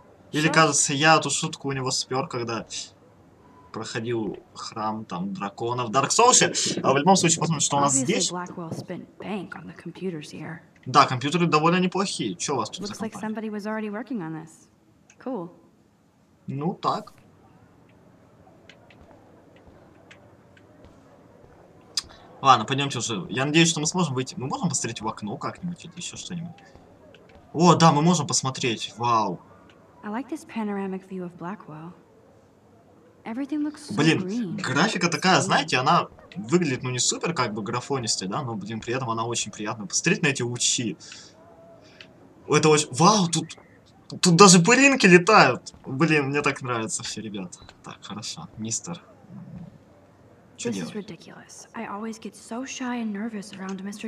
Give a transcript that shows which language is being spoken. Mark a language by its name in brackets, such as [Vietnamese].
[Russian] Или, кажется, я эту шутку у него спер, когда проходил храм там дракона в Dark Souls. А в любом случае, посмотрим, что у нас здесь. [English] Blackwell spent bank on the computers here. [Russian] Да, компьютеры довольно неплохие. Че у вас тут? [English] Looks like somebody was already working on this. Cool. [Russian] Ну так. Ладно, пойдемте уже. Я надеюсь, что мы сможем выйти. Мы можем посмотреть в окно как-нибудь или еще что-нибудь. О, да, мы можем посмотреть. Вау. [English] I like this panoramic view of Blackwell. Everything looks so [Russian] блин, [English] green. [Russian] Графика такая, знаете, она выглядит, ну, не супер, как бы, графонистая, да, но, блин, при этом она очень приятная. Посмотрите на эти лучи. Это очень... Вау, тут... Тут даже пылинки летают. Блин, мне так нравятся все, ребят. Так, хорошо. Мистер... [English] This is ridiculous. I always get so shy and nervous around Mr.